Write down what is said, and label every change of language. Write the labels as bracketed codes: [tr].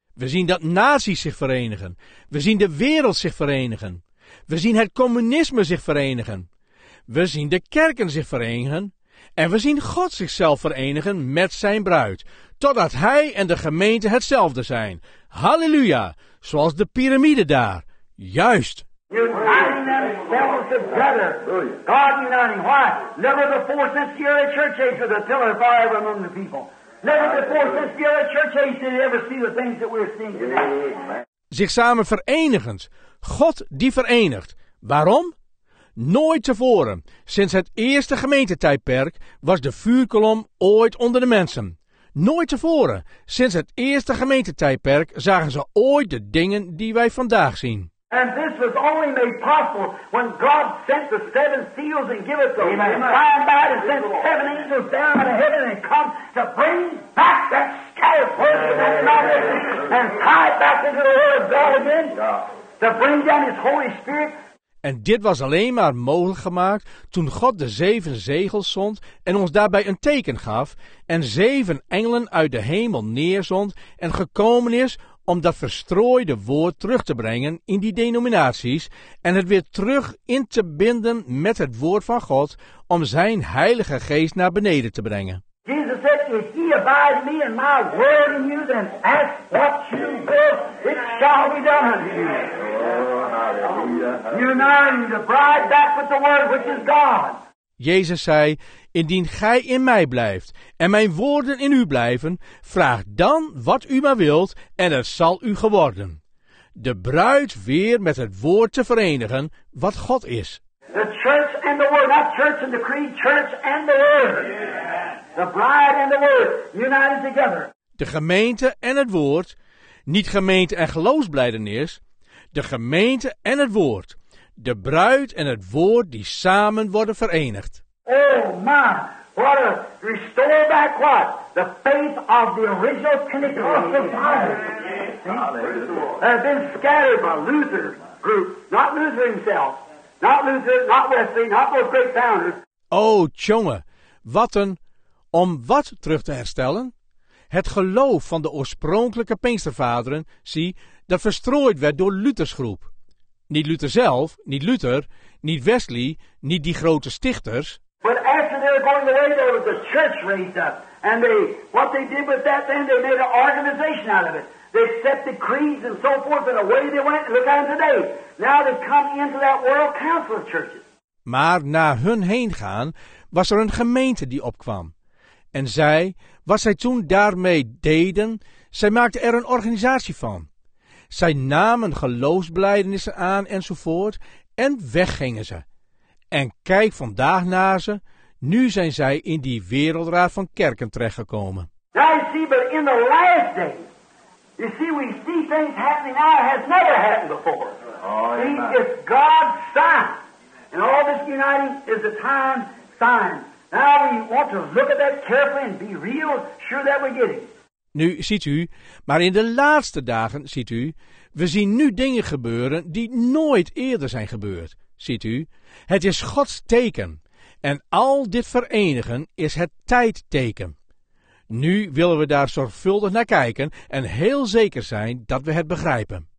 [nl] We zien dat naties zich verenigen. We zien de wereld zich verenigen. We zien het communisme zich verenigen. We zien de kerken zich verenigen. En we zien God zichzelf verenigen met zijn bruid. Totdat hij en de gemeente hetzelfde zijn. Halleluja! Zoals de piramide daar. Juist! [en] Uniting themselves together. God uniting. Why? Never before since the early church age was a pillar of fire among the people. Never before since the early church age did you ever see the things that we're seeing today. [nl] Zich samen verenigend. God die verenigt. Waarom? Nooit tevoren, sinds het eerste gemeentetijdperk, was de vuurkolom ooit onder de mensen. Nooit tevoren, sinds het eerste gemeentetijdperk, zagen ze ooit de dingen die wij vandaag zien. [en] And this was only made possible when God sent the seven seals and gave it to them. Amen. By and by, and sent seven angels down out of heaven and come to bring back that scattered word of that knowledge and tie it back into the word of God again. To bring down His Holy Spirit. [nl] En dit was alleen maar mogelijk gemaakt toen God de zeven zegels zond en ons daarbij een teken gaf en zeven engelen uit de hemel neerzond en gekomen is om dat verstrooide woord terug te brengen in die denominaties en het weer terug in te binden met het woord van God om zijn heilige geest naar beneden te brengen. [en] Jesus said, if ye abide me and my word in you, then ask what you will, it shall be done unto you. Uniting the bride back with the word, which is God. [nl] Jezus zei, indien gij in mij blijft en mijn woorden in u blijven, vraag dan wat u maar wilt en het zal u geworden. De bruid weer met het woord te verenigen wat God is. [en] The church and the word, not church and the creed, church and the word. The bride and the word, united together. [nl] De gemeente en het woord, niet gemeente en geloofsblijdenis. De gemeente en het woord. De bruid en het woord die samen worden verenigd. [en] Oh my, what a restore back what? The faith of the original Pentecostal fathers. Yes. Have been scattered by Luther group. Not Luther himself. Not Luther, not Wesley, not those great founders. [nl] Oh tjonge, wat een, om wat terug te herstellen? Het geloof van de oorspronkelijke Pinkstervaderen, zie, dat verstrooid werd door Luthers groep. Niet Luther zelf, niet Luther, niet Wesley, niet die grote stichters. [en] But after they were going away, there was a church raised up. And they, what they did with that then, they made an organization out of it. They set the creeds and so forth, and away they went, and look at them today. Now they've come into that world council of churches. [nl] Maar na hun heen gaan, was er een gemeente die opkwam. En zij, wat zij toen daarmee deden, zij maakten er een organisatie van. Zij namen geloofsbelijdenissen aan enzovoort en weggingen ze. En kijk vandaag naar ze, nu zijn zij in die wereldraad van kerken terechtgekomen. [en] Now you see, but in the last day, you see, we see things happening now that has never happened before. Oh, see, it's God's sign. And all this uniting is a time sign. Now we want to look at that carefully and be real sure that we're getting. [nl] Nu ziet u, maar in de laatste dagen ziet u, we zien nu dingen gebeuren die nooit eerder zijn gebeurd. Ziet u, het is Gods teken en al dit verenigen is het tijdteken. Nu willen we daar zorgvuldig naar kijken en heel zeker zijn dat we het begrijpen.